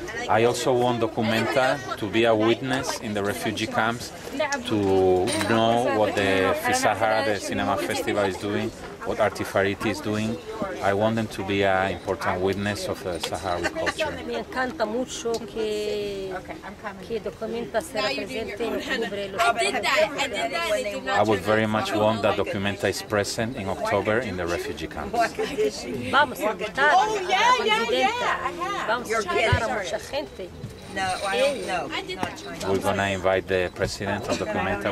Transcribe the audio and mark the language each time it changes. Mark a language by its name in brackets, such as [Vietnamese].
[English] I also want Documenta to be a witness in the refugee camps, to know what the Fisahara, the cinema festival, is doing, what Artifariti is doing. I want them to be an important witness of the Sahrawi culture. [Spanish] Me encanta mucho que Documenta se represente en octubre. [English] I would very much want that Documenta is present in October in the refugee camps. [Spanish] Vamos a invitar a la presidenta. Vamos a invitar a mucha gente. [English] No, we're going to invite the president of Documenta.